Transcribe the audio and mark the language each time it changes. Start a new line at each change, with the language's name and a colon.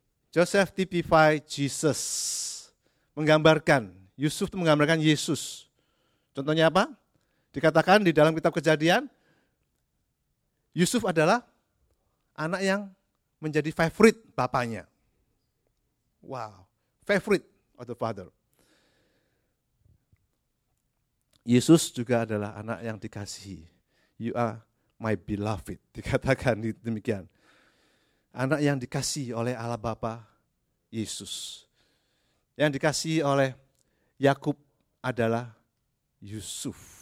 English: Joseph typify Jesus.
Indonesian: Menggambarkan, Yusuf itu menggambarkan Yesus. Contohnya apa? Dikatakan di dalam kitab Kejadian, Yusuf adalah anak yang menjadi favorite bapaknya.
English: Wow, favorite of the father.
Indonesian: Yesus juga adalah anak yang dikasihi.
English: You are my beloved,
Indonesian: dikatakan demikian. Anak yang dikasihi oleh Allah Bapa, Yesus. Yang dikasihi oleh Yakub adalah Yusuf.